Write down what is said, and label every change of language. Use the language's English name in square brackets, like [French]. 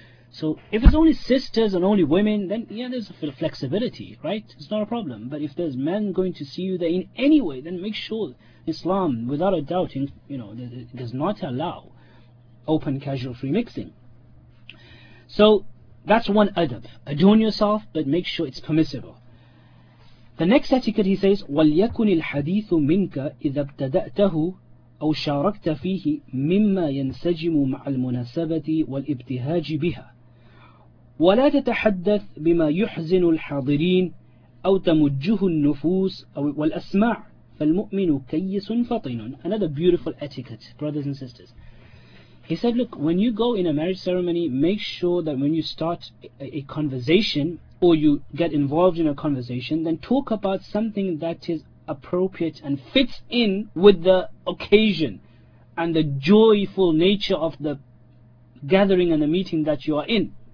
[English] So if it's only sisters and only women, then yeah, there's a flexibility, right? It's not a problem. But if there's men going to see you there in any way, then make sure Islam, without a doubt, you know, does not allow open casual free mixing. So that's one adab. Adorn yourself, but make sure it's permissible. The next etiquette, he says, [Arabic] وَلْيَكُنِ الْحَدِيثُ مِنْكَ إِذَا ابْتَدَأْتَهُ أَوْ شَارَكْتَ فِيهِ مِمَّا يَنْسَجِمُ مَعَ الْمُنَاسَبَةِ وَالْإِبْتِهَاجِ بِهَا وَلَا تَتَحَدَّثْ بِمَا يُحْزِنُ الْحَاضِرِينَ أَوْ تَمُجُّهُ النُّفُوسُ وَالْأَسْمَعُ فَالْمُؤْمِنُ كَيِّسٌ فَطِنٌ. [English] Another beautiful etiquette, brothers and sisters. He said, look, when you go in a marriage ceremony, make sure that when you start a conversation, or you get involved in a conversation, then talk about something that is appropriate and fits in with the occasion and the joyful nature of the gathering and the meeting that you are in.